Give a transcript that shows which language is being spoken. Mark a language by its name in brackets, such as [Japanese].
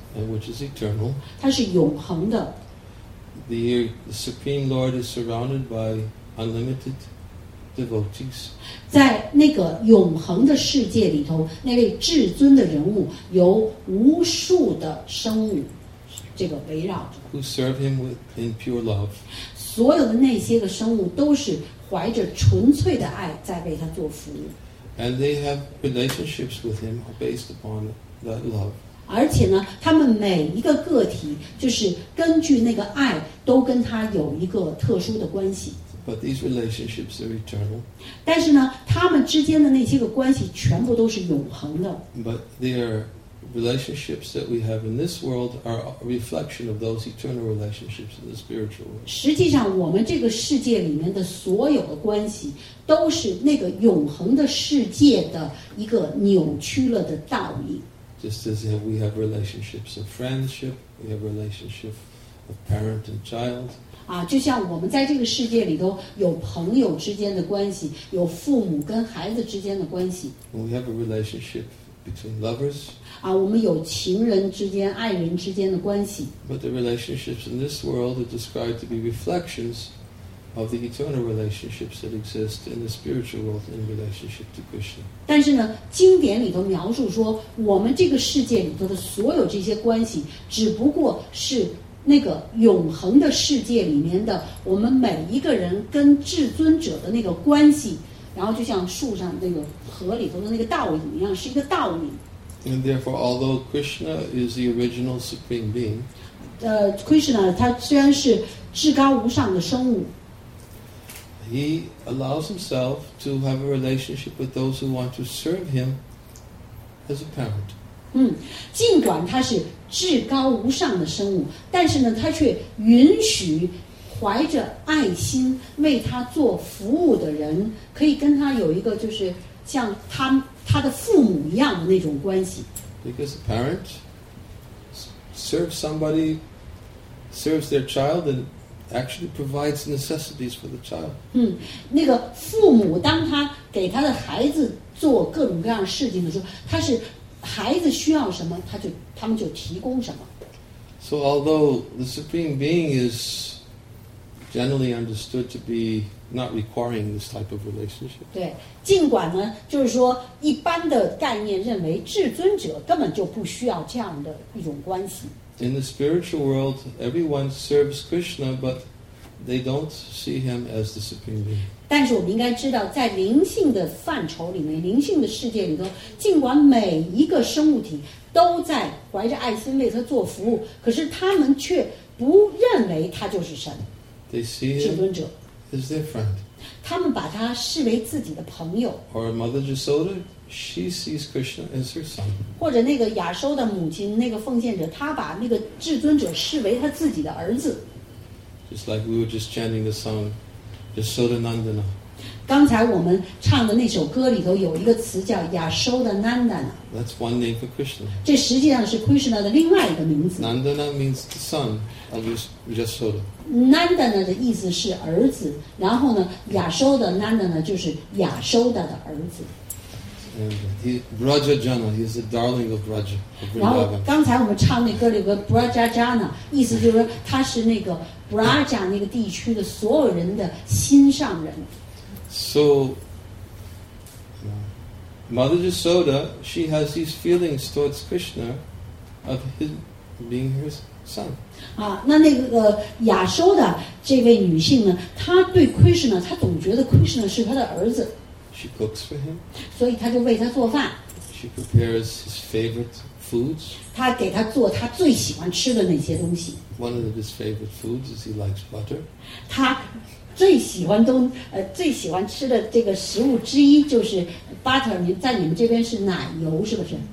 [English] And which is eternal. [Chinese] 它是永恒的。 [English] The Supreme Lord is surrounded by unlimited devotees. [Chinese] 在那个永恒的世界里头，那位至尊的人物由无数的生物这个围绕着。 [English] Who serve him with in pure love? [Chinese] 所有的那些个生物都是怀着纯粹的爱在为他做服务。 [English] And they have relationships with him based upon that love. [Chinese] 而且呢，他们每一个个体就是根据那个爱都跟他有一个特殊的关系。 [English] But these relationships are eternal. [Chinese] 但是呢，他们之间的那些个关系全部都是永恒的。 [English] But their relationships that we have in this world are a reflection of those eternal relationships in the spiritual world. [Chinese] 实际上，我们这个世界里面的所有的关系都是那个永恒的世界的一个扭曲了的倒影。 [English] Just as we have relationships of friendship, we have relationship of parent and child. [Chinese] 啊，就像我们在这个世界里头有朋友之间的关系，有父母跟孩子之间的关系。 [English] We have a relationship between lovers. [Chinese] 啊，我们有情人之间、爱人之间的关系。 [English] But the relationships in this world are described to be reflections of the eternal relationships that exist in the spiritual world in relationship to Krishna. [Chinese] 但是呢，经典里头描述说，我们这个世界里头的所有这些关系，只不过是那个永恒的世界里面的我们每一个人跟至尊者的那个关系，然后就像树上那个河里头的那个倒影一样，是一个倒影。 [English] And therefore, although Krishna is the original supreme being, [Chinese] Krishna 他虽然是至高无上的生物。 [English] He allows himself to have a relationship with those who want to serve him as a parent. [Chinese] 尽管他是至高无上的生物，但是呢，他却允许怀着爱心为他做服务的人，可以跟他有一个就是像他的父母一样的那种关系。 [English] Because a parent serves somebody, serves their child and actually provides necessities for the child. [Chinese] 那个父母当他给他的孩子做各种各样事情的时候，他是孩子需要什么，他们就提供什么。 [English] So although the Supreme Being is generally understood to be not requiring this type of relationship. [Chinese] 对，尽管呢，就是说一般的概念认为至尊者根本就不需要这样的一种关系。 [English] In the spiritual world, everyone serves Krishna, but they don't see him as the supreme being. [Chinese] 但是我们应该知道，在灵性的范畴里面，灵性的世界里头，尽管每一个生物体都在怀着爱心为他做服务，可是他们却不认为他就是神。 [English] They see him as their friend. [Chinese] 他们把他视为自己的朋友。 [English] Or Mother Jasoda, she sees Krishna as her son. [Chinese] 或者那个亚修的母亲，那个奉献者，他把那个至尊者视为他自己的儿子。 [English] Just like we were just chanting the song, Yashoda Nandana. [Chinese] 刚才我们唱的那首歌里头有一个词叫 Yashoda Nandana. [English] That's one name for Krishna. [Chinese] 这实际上是 Krishna 的另外一个名字。 [English] Nandana means the son of Yashoda. [Chinese] Nandana 的意思是儿子，然后呢 ，Yashoda Nandana 就是 Yashoda 的儿子。 [English] And he, Braja Jana, he is the darling of Braja. [Chinese] 然后刚才我们唱那歌里边 Braja Jana， 意思就是他是那个 Braja 那个地区的所有人的心上人。 [English] So, Mother Yashoda, she has these feelings towards Krishna of his being her son. [Chinese] 啊，那那个亚修的这位女性呢，她对 Krishna， 她总觉得 Krishna 是她的儿子。 [English] She cooks for him. [Chinese] 所以她就为他做饭。 [English] She prepares his favorite foods. [Chinese] 她给他做他最喜欢吃的那些东西。 [English] One of his favorite foods is he likes butter. [Chinese] 她最喜欢东最喜欢吃的这个食物之一就是 butter， 在你们这边是奶油是不是？